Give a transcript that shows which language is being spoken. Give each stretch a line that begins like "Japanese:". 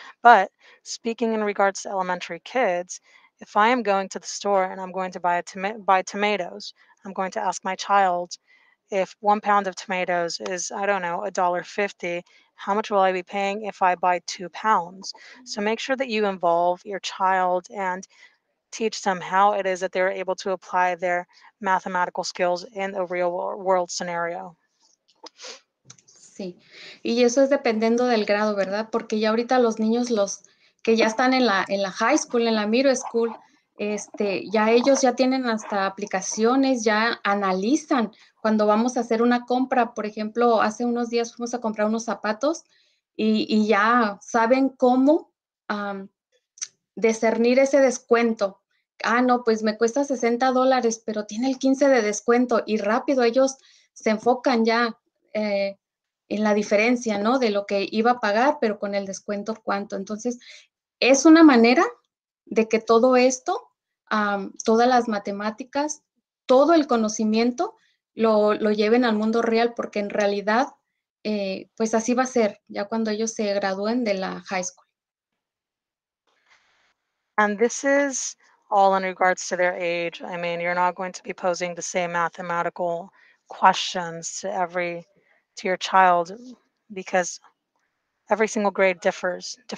English: But speaking in regards to elementary kids, if I am going to the store and I'm going to buy tomatoes, I'm going to ask my child, if 1 pound of tomatoes is, I don't know, $1.50, how much will I be paying if I buy 2 pounds? So make sure that you involve your child and teach them how it is that they're able to apply their mathematical skills in a real world scenario.
Spanish: Sí, y eso es dependiendo del grado, ¿verdad? Porque ya ahorita los niños, los que ya están en la high school, en la middle school, ya ellos ya tienen hasta aplicaciones, ya analizan cuando vamos a hacer una compra. Por ejemplo, hace unos días fuimos a comprar unos zapatos y ya saben cómo discernir ese descuento. Ah, no, pues me cuesta $60, pero tiene el 15 de descuento, y rápido ellos se enfocan ya en la diferencia, ¿no? De lo que iba a pagar, pero con el descuento, ¿cuánto? Entonces, es una manera de que todo esto, todas las matemáticas, todo el conocimiento lo lleven al mundo real, porque en realidad, pues así va a ser ya cuando ellos se gradúen de la high school.
English: And this is all in regards to their age. I mean, you're not going to be posing the same mathematical questions to your child, because every single grade differs.